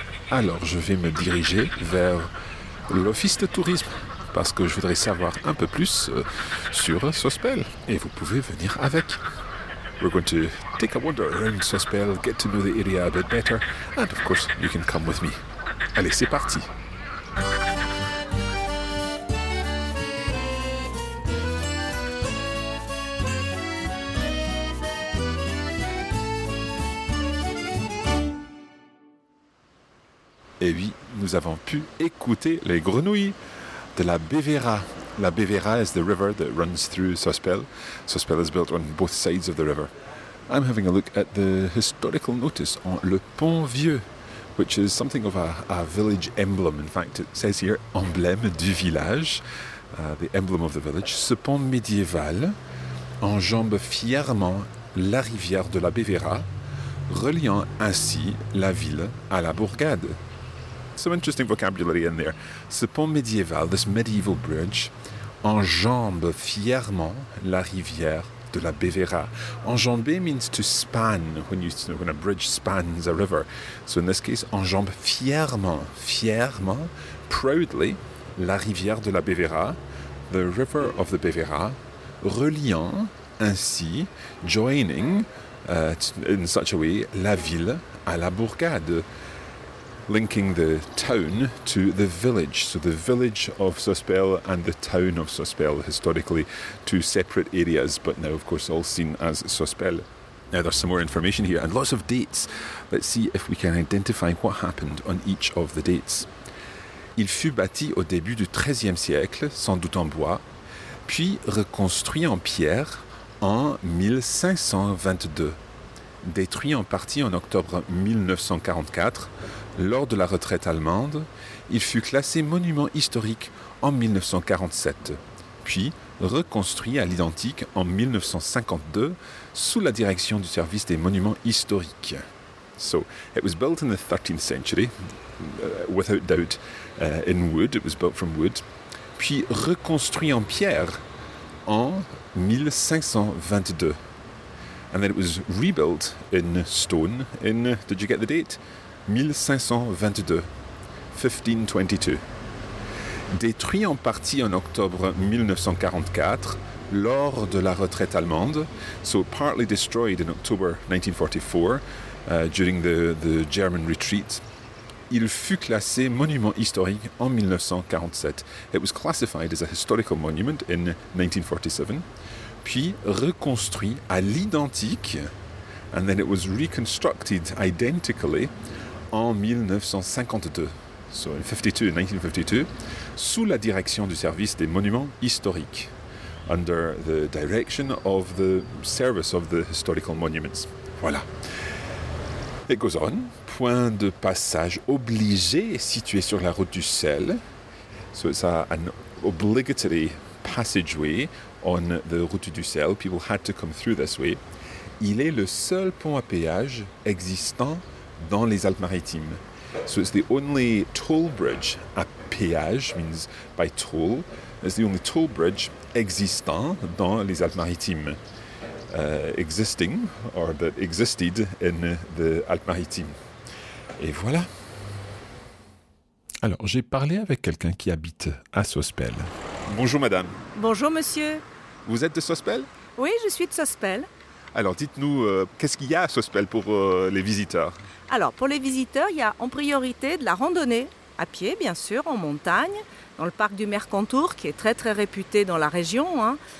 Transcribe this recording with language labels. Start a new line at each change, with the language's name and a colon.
French: Alors, je vais me diriger vers l'office de tourisme parce que je voudrais savoir un peu plus sur Sospel et vous pouvez venir avec.
English: We're going to take a wander around Sospel, get to know the area a bit better, and of course, you can come with me.
French: Allez, c'est parti! Et oui, nous avons pu écouter les grenouilles de la Bévéra.
English: La Bévéra is the river that runs through Sospel. Sospel is built on both sides of the river. I'm having a look at the historical notice on Le Pont Vieux, which is something of a village emblem. In fact, it says here,
French: emblème du village,
English: the emblem of the village.
French: Ce pont médiéval enjambe fièrement la rivière de la Bévéra, reliant ainsi la ville à la bourgade.
English: Some interesting vocabulary in there.
French: Ce pont médiéval,
English: this medieval bridge,
French: enjambe fièrement la rivière de la Bévéra.
English: Enjambé means to span, when a bridge spans a river. So in this case,
French: enjambe fièrement,
English: proudly,
French: la rivière de la Bévéra,
English: the river of the Bévéra,
French: reliant ainsi,
English: joining, in such a way,
French: la ville à la bourgade.
English: Linking the town to the village. So the village of Sospel and the town of Sospel, historically, two separate areas, but now, of course, all seen as Sospel. Now, there's some more information here and lots of dates. Let's see if we can identify what happened on each of the dates.
French: Il fut bâti au début du XIIIe siècle, sans doute en bois, puis reconstruit en pierre en 1522. Détruit en partie en octobre 1944, lors de la retraite allemande, il fut classé monument historique en 1947, puis reconstruit à l'identique en 1952 sous la direction du service des monuments historiques.
English: So, it was built in the 13th century, without doubt, in wood, it was built from wood.
French: Puis reconstruit en pierre en 1522.
English: And then it was rebuilt in stone in, did you get the date? 1522.
French: Détruit en partie en octobre 1944, lors de la retraite allemande.
English: So partly destroyed in October 1944, during the German retreat.
French: Il fut classé monument historique en 1947.
English: It was classified as a historical monument in 1947.
French: Puis reconstruit à l'identique,
English: and then it was reconstructed identically, en 1952. So in 1952,
French: sous la direction du service des monuments historiques.
English: Under the direction of the service of the historical monuments. Voilà. It goes on.
French: Point de passage obligé situé sur la route du sel.
English: So it's an obligatory passageway on the route du sel. People had to come through this way.
French: Il est le seul pont à péage existant dans les Alpes-Maritimes.
English: So it's the only toll bridge à péage, means by toll. It's the only toll bridge
French: existant dans les Alpes-Maritimes.
English: Existing, or that existed in the Alpes-Maritimes.
French: Et voilà. Alors, j'ai parlé avec quelqu'un qui habite à Sospel. Bonjour, madame. Bonjour, monsieur. Vous êtes de Sospel ? Oui, je suis de Sospel. Alors, dites-nous, qu'est-ce qu'il y a à Sospel pour les visiteurs ? Alors, pour les visiteurs, il y a en priorité de la randonnée, à pied, bien sûr, en montagne, dans le parc du Mercantour, qui est très, très réputé dans la région, hein.